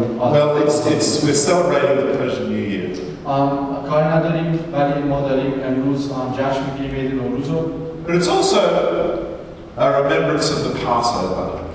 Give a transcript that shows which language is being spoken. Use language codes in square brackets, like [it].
[en] Well, it's we're celebrating the Persian New Year. [fa] کاری نداریم ولی ما داریم امروز جشن می‌گیریم عید نوروز رو. [en] But it's also a remembrance of the Passover.